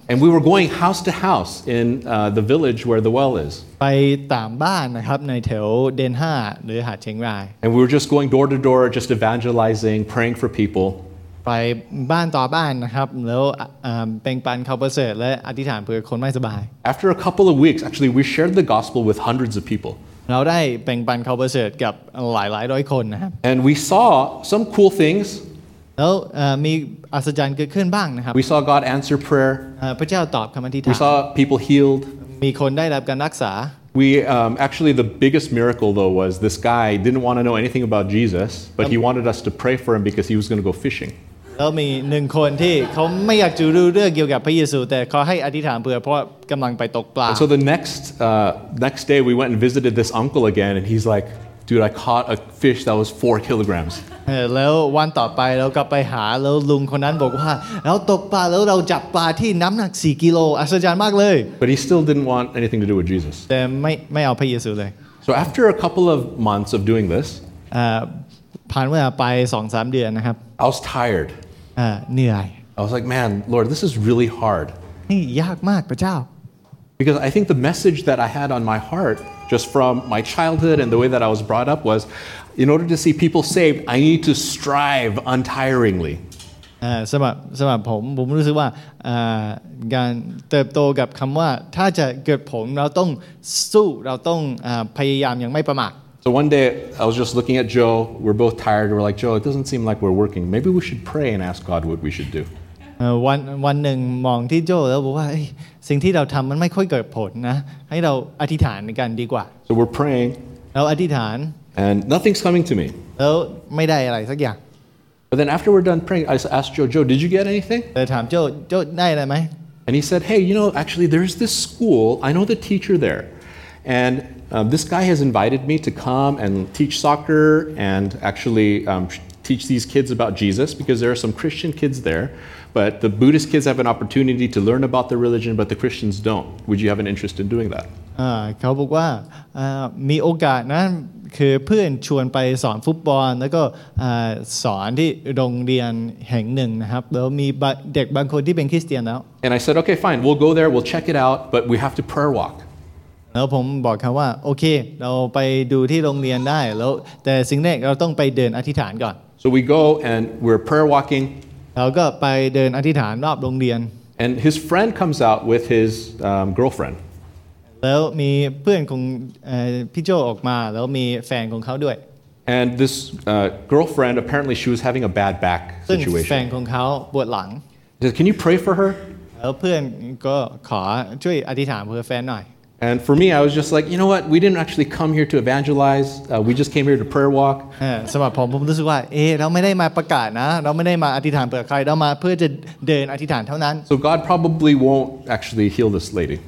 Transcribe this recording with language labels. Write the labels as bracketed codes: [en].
[en] And we were going house to house in the village where the well is. [th] ไปตามบ้านนะครับในแถวเดนห้าหรือหาดเชียงราย [en] And we were just going door to door just evangelizing praying for people [th] ไปบ้านต่อบ้านนะครับแล้วแบ่งปันข่าวประเสริฐและอธิษฐานเพื่อคนไม่สบาย [en] After a couple of weeks actually we shared the gospel with hundreds of people [th] เราได้แบ่งปันข่าวประเสริฐกับหลายร้อยคนนะครับ [en] And we saw some cool things [th] แล้วมีอัศจรรย์เกิดขึ้นบ้างนะครับ [en] We saw God answer prayer [th] พระเจ้าตอบคำอธิษฐาน [en] We saw people healed [th] มีคนได้รับการรักษา [en] We actually the biggest miracle though was this guy didn't want to know anything about Jesus but he wanted us to pray for him because he was going to go fishing [th] แล้วมีหนึ่งคนที่เขาไม่อยากจะรู้เรื่องเกี่ยวกับพระเยซูแต่ขอให้อธิษฐานเพื่อเพราะกำลังไปตกปลา [en] So the next day we went and visited this uncle again and he's like dude I caught a fish that was 4 kilograms [th] แล้ววันต่อไปเราก็ไปหาแล้วลุงคนนั้นบอกว่าเราตกปลาแล้วเราจับปลาที่น้ำหนัก4กิโลอัศจรรย์มากเลย [en] But he still didn't want anything to do with Jesus [th] แต่ไม่เอาพระเยซูเลย [en] So after a couple of months of doing this [th] ผ่านเวลาไป 2-3 เดือนนะครับ [en] I was tired [th] เหนื่อย [en] I was like man Lord this is really hard [th] นี่ยากมากพระเจ้า [en] Because I think the message that I had on my heart just from my childhood and the way that I was brought up was, in order to see people saved, I need to strive untiringly. [th] สำหรับผมรู้สึกว่าการเติบโตกับคำว่าถ้าจะเกิดผลเราต้องสู้เราต้องพยายามอย่างไม่ประมาท [en] So one day I was just looking at Joe. We're both tired. We're like, Joe, it doesn't seem like we're working. Maybe we should pray and ask God what we should do. [th] วันหนึ่งมองที่โจแล้วบอกว่าสิ่งที่เราทำมันไม่ค่อยเกิดผลนะให้เราอธิษฐานกันดีกว่า [en] So we're praying. [th] เราอธิษฐาน [en] And nothing's coming to me. [th] แล้วไม่ได้อะไรสักอย่าง [en] But then after we're done praying, I asked Joe, Joe, did you get anything? And he said, hey, you know, actually, there's this school. I know the teacher there. And this guy has invited me to come and teach soccer and actually teach these kids about Jesus because there are some Christian kids there. But the Buddhist kids have an opportunity to learn about the religion, but the Christians don't. Would you have an interest in doing that? He said, there's an opportunity. [th] คือเพื่อนชวนไปสอนฟุตบอลแล้วก็สอนที่โรงเรียนแห่งหนึ่งนะครับแล้วมีเด็กบางคนที่เป็นคริสเตียนแล้ว [en] And I said okay fine we'll go there we'll check it out but we have to prayer walk [th] แล้วผมบอกเขาว่าโอเคเราไปดูที่โรงเรียนได้แล้วแต่สิ่งแรกเราต้องไปเดินอธิษฐานก่อน [en] So we go and we're prayer walking [th] เราก็ไปเดินอธิษฐานรอบโรงเรียน [en] And his friend comes out with his girlfriend [th] แล้วมีเพื่อนของพี่โจออกมาแล้วมีแฟนของเขาด้วย [en] And this girlfriend apparently she was having a bad back situation. [th] ซึ่งแฟนของเขาปวดหลัง [en] Can you pray for her? [th] แล้วเพื่อนก็ขอช่วยอธิษฐานเพื่อแฟนหน่อย [en] And for me I was just like, you know what? We didn't actually come here to evangelize. We just came here to prayer walk. [th] สำหรับผมรู้สึกว่าเราไม่ได้มาประกาศนะเราไม่ได้มาอธิษฐานเพื่อใครเรามาเพื่อจะเดินอธิษฐานเท่านั้น [en] So God probably won't actually heal this lady.